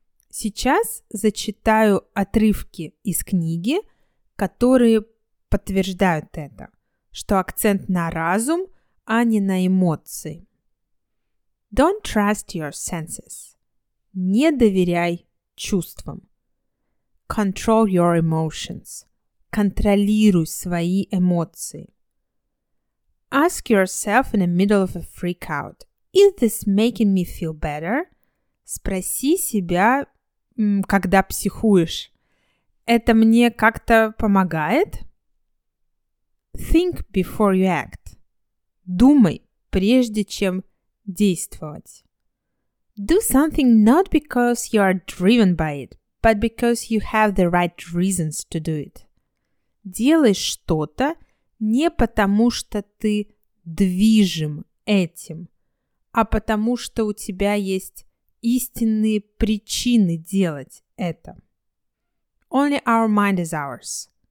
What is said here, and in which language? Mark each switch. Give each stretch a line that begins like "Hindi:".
Russian: Сейчас зачитаю отрывки из книги, которые подтверждают это, что акцент на разум, а не на эмоции.
English: Don't trust your senses.
Russian: Не доверяй чувствам.
English: Control your emotions.
Russian: Контролируй свои эмоции.
English: Ask yourself in the middle of a freakout. Is this making me feel better?
Russian: Спроси себя, когда психуешь. Это мне как-то помогает?
English: Think before you act.
Russian: Думай, прежде чем действовать.
English: Do something not because you are driven by it, but because you have the right reasons to do it.
Russian: Делай что-то не потому, что ты движим этим, а потому, что у тебя есть истинные причины делать это.
English: Only our mind is ours.